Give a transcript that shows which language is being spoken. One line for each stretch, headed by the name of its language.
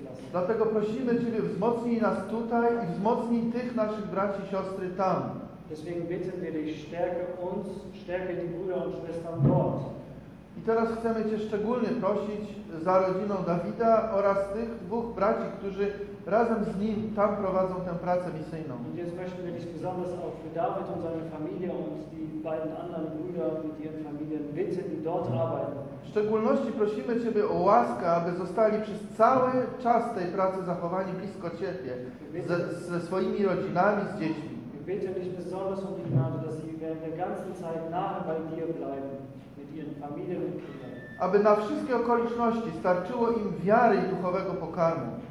Polish: Dlatego prosimy Ciebie, wzmocnij nas tutaj i wzmocnij tych naszych braci i siostry tam.
German: Deswegen bitten wir dich, stärke uns, stärke die Brüder und Schwestern dort.
Polish: I teraz chcemy Cię szczególnie prosić za rodziną Dawida oraz tych dwóch braci, którzy razem z nim tam prowadzą tę pracę misyjną.
German: Und jetzt möchten wir dich besonders auch für David und seine Familie und die beiden anderen Brüder mit ihren Familien bitten, die dort arbeiten.
Polish: W szczególności prosimy Ciebie o łaskę, aby zostali przez cały czas tej pracy zachowani blisko Ciebie, ze swoimi rodzinami, z dziećmi.
German: Wir bitten dich besonders um die Gnade, dass sie während der ganzen Zeit nahe bei dir bleiben, mit ihren Familien und Kindern.
Polish: Aby na wszystkie okoliczności starczyło im wiary i duchowego pokarmu.